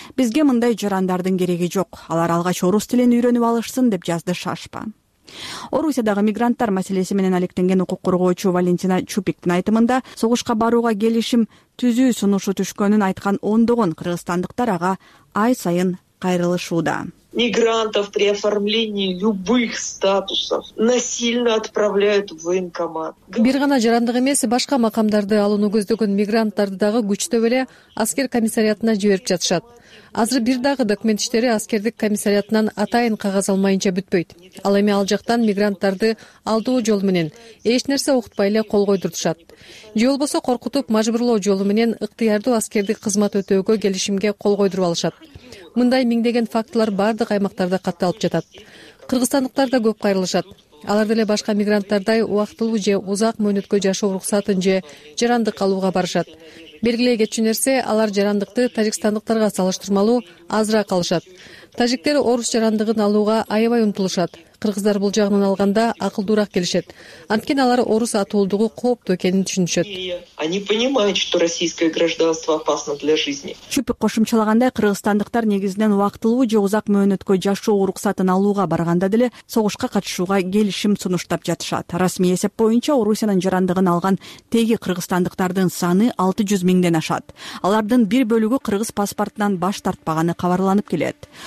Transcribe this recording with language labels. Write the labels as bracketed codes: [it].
[ky] Бизге мындай жарандардын кереги жок, алар алгач орус тилин үйрөнүп алышсын, деп жазды Шашпа. Орусиядагы мигранттар маселеси менен алектенген укук коргоочу Валентина Чупиктин айтымында согушка барууга келишим түзүү сунушу түшкөнүн айткан ондогон кыргызстандыктар ага ай сайын кайрылышууда. [ru] Мигрантов при оформлении любых статусов насильно отправляют в военкомат. [ky] Бир гана жарандык эмес, башка макамдарды алууну көздөгөн мигранттарды дагы күчтөп эле аскер комиссариатына жиберип жатышат. Азыр бир дагы документ иштери аскердик комиссариатынан атайын кагаз алмайынча бүтпөйт. Ал эми ал жактан мигранттарды алдоо жолу менен эч нерсе укутпай эле кол койдуртушат. Же болбосо коркутуп мажбурлоо жолу менен ыктыярдуу аскердик кызмат өтөөгө келишимге кол койдуруп алышат. Мындай миңдеген фактылар бардык аймактарда катталып жатат. Кыргызстандыктар да көп кайрылышат. Алар деле башка мигранттардай убактылуу же узак мөөнөткө жашоо уруксатын же жарандык алууга барышат. Белгилей кетчү нерсе, алар жарандыкты тажикстандыктарга салыштырмалуу азыраак алышат. Тажиктер орус жарандыгын алууга аябай умтулушат. Кыргыздар бул жагынан алганда акылдуураак келишет. Анткени алар орус атуулдугу кооптуу экенин түшүнүшөт. [ru] Они понимают, что российское гражданство опасно для жизни. [ky] Чупик кошумчалагандай, кыргызстандыктар негизинен убактылуу же узак мөөнөткө жашоо уруксатын алууга барганда деле согушка катышууга келишим сунуштап жатышат. Расмий эсеп боюнча Орусиянын жарандыгын алган теги кыргызстандыктардын саны 600 миңден ашат. Алардын бир бөлүгү кыргыз паспортунан баш тартпаганы кабарланып келет.